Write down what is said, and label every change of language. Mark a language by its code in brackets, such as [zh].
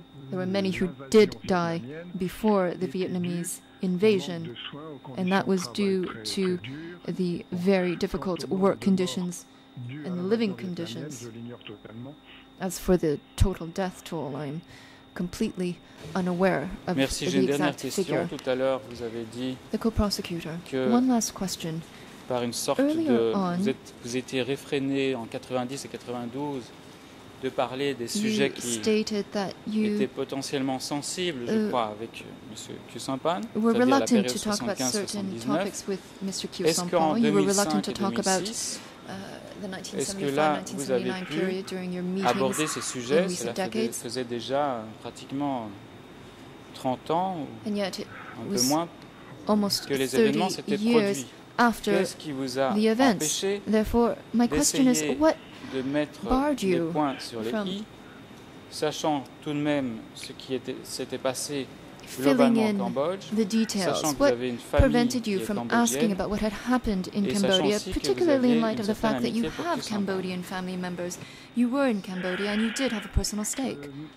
[en] There were many who did die before the Vietnamese invasion, and that was due to the very difficult work conditions and living conditions. As for the total death toll, I'm completely unaware of the exact figure. [fr] Tout à l'heure, vous avez dit [en] the co-prosecutor. One last question. [fr] Par une sorte de, vous étiez réfréné en 90 et 92 de parler des sujets qui étaient potentiellement sensibles, je crois, avec M. Kyu Sampan, c'est-à-dire la période 75-79. Est-ce qu'en 2005 et 2006, est-ce que là, vous avez pu aborder ces sujets? Cela faisait déjà pratiquement 30 ans, ou un peu moins, que les événements s'étaient produits. [en] After the events. Therefore, my question is, what barred you from [fr] sachant tout de même ce qui était, s'était passé [en] filling in [fr] Cambodge, [en] the details? What prevented you from asking about what had happened in Cambodia, particularly in light of the fact that you have Cambodian family members? You were in Cambodia and you did have a personal stake.